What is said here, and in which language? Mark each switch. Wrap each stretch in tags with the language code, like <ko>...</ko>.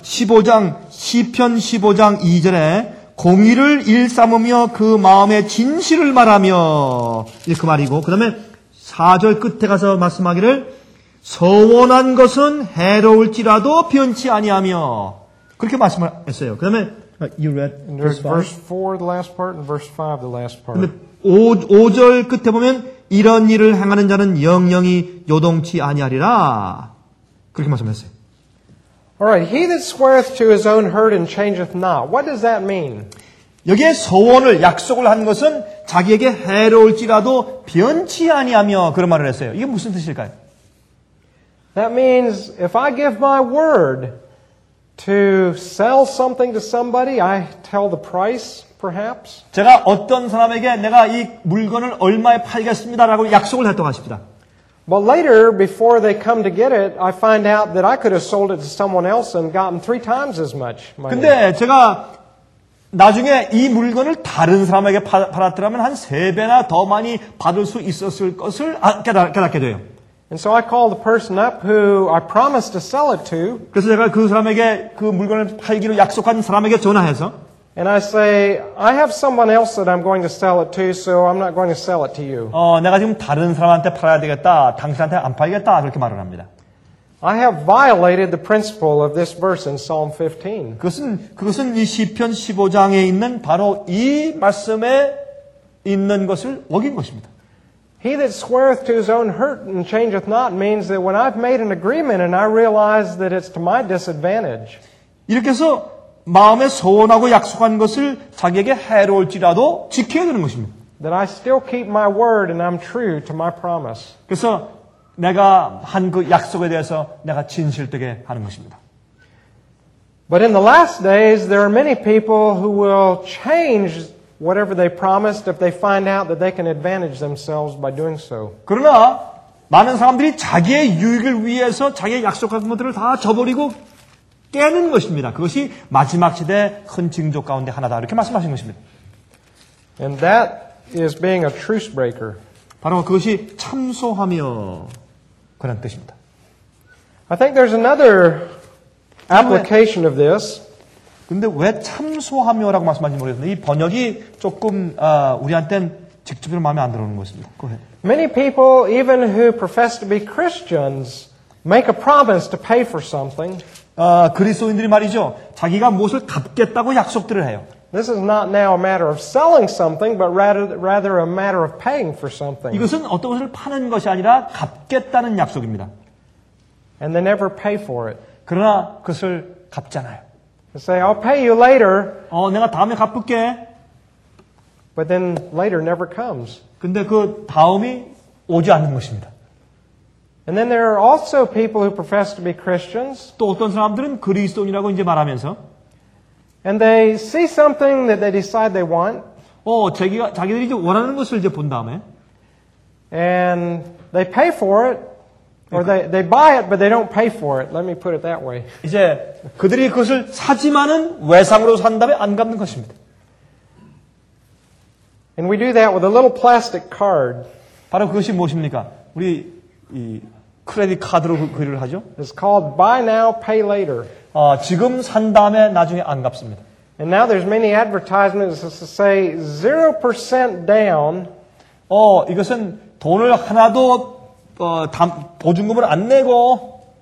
<ko>15장, 시편 15장 2절에 공의를 일삼으며 그 마음의 진실을 말하며 이렇게 말이고 그 다음에 4절 끝에 가서 말씀하기를 서원한 것은 해로울지라도 변치 아니하며 그렇게 말씀을 했어요. 그 다음에</ko> <en>you read verse 4 the last part and verse 5 the last part.</en> <ko>5절 끝에 보면 이런 일을 행하는 자는 영영히 요동치 아니하리라. 그렇게 말씀했어요.</ko> <en>All right, he that sweareth to his own hurt and changeth not. What does that mean?</en> <ko>여기에 소원을 약속을 한 것은 자기에게 해로울지라도 변치 아니하며 그런 말을 했어요. 이게 무슨 뜻일까요?</ko> <en>That means if I give my word to sell something to somebody, I tell the price perhaps.</en> <ko>제가 어떤 사람에게 내가 이 물건을 얼마에 팔겠습니다라고 약속을 했다고 하십니다.</ko> <en>But later, before they come to get it, I find out that I could have sold it to someone else and gotten three times as much money.</en> <ko>근데 제가 나중에 이 물건을 다른 사람에게 팔았더라면 한 세 배나 더 많이 받을 수 있었을 것을 깨닫게 돼요.</ko> <en>And so I call the person up who I promised to sell it to.</en> <ko>그래서 제가 그 사람에게 그 물건을 팔기로 약속한 사람에게 전화해서.</ko> <en>And I say, I have someone else that I'm going to sell it to, so I'm not going to sell it to you.</en> <ko>내가 지금 다른 사람한테 팔아야 되겠다. 당신한테 안 팔겠다. 그렇게 말을 합니다.</ko> <en>I have violated the principle of this verse in Psalm 15.</en> <ko>그것은 이 시편 15장에 있는 바로 이 말씀에 있는 것을 어긴 것입니다.</ko> <en>He that sweareth to his own hurt and changeth not means that when I've made an agreement and I realize that it's to my disadvantage.</en> <ko>이렇게 해서 마음에 소원하고 약속한 것을 자기에게 해로울지라도 지켜야 되는 것입니다.</ko> <en>That I still keep my word and I'm true to my promise.</en> <ko>그래서 내가 한 그 약속에 대해서 내가 진실되게 하는 것입니다.</ko> <en>But in the last days there are many people who will change whatever they promised if they find out that they can advantage themselves by doing so.</en> <ko>그러나 많은 사람들이 자기의 유익을 위해서 자기의 약속한 것들을 다 저버리고 깨는 것입니다. 그것이 마지막 시대의 큰 징조 가운데 하나다. 이렇게 말씀하신 것입니다.</ko> <en>And that is being a truce breaker.</en> <ko>바로 그것이 참소하며 그런 뜻입니다.</ko> <en>I think there's another application of this.</en> <ko>근데 왜 참소하며라고 말씀하신지 모르겠는데 이 번역이 조금 우리한테는 직접적으로 마음에 안 들어오는 것입니다.</ko> <en>Many people even who profess to be Christians make a promise to pay for something.</en> <ko>그리스도인들이 말이죠. 자기가 무엇을 갚겠다고 약속들을 해요.</ko> <en>This is not now a matter of selling something, but rather a matter of paying for something.</en> <ko>이것은 어떤 것을 파는 것이 아니라 갚겠다는 약속입니다.</ko> <en>And they never pay for it.</en> <ko>그러나 그것을 갚지 않아요.</ko> <en>They say, I'll pay you later.</en> <ko>내가 다음에 갚을게.</ko> <en>But then later never comes.</en> <ko>근데 그 다음이 오지 않는 것입니다.</ko> <en>And then there are also people who profess to be Christians.</en> <ko>또 어떤 사람들은 그리스도인이라고 이제 말하면서.</ko> <en>And they see something that they decide they want.</en> <ko>자기들이 이제 원하는 것을 이제 본 다음에.</ko> <en>And they pay for it, or they buy it, but they don't pay for it. Let me put it that way.</en> <ko>이제 그들이 그것을 사지만은 외상으로 산 다음에 안 갚는 것입니다.</ko> <en>And we do that with a little plastic card.</en> <ko>바로 그것이 무엇입니까? 우리 이 크레딧 카드로 거래를 하죠.</ko> <en>It's called buy now, pay later.</en> <ko>지금 산 다음에 나중에 안 갚습니다.</ko> <en>And now there's many advertisements that say 0% down.</en> <ko>이것은 돈을 하나도 보증금을 안 내고</ko>